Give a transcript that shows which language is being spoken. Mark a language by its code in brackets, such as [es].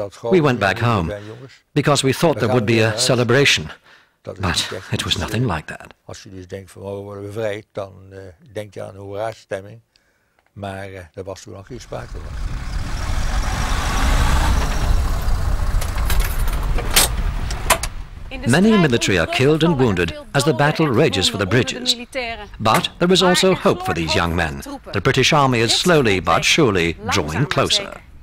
[en] We went back home, because we thought there would be a celebration, but it was nothing like that. [nl] Als je dus denkt van we worden bevrijd, dan denk je aan een hoera stemming, maar er was toen nog geen sprake van. [en] Many military are killed and wounded as the battle rages for the bridges. But there is also hope for these young men. The British Army is slowly but surely drawing closer.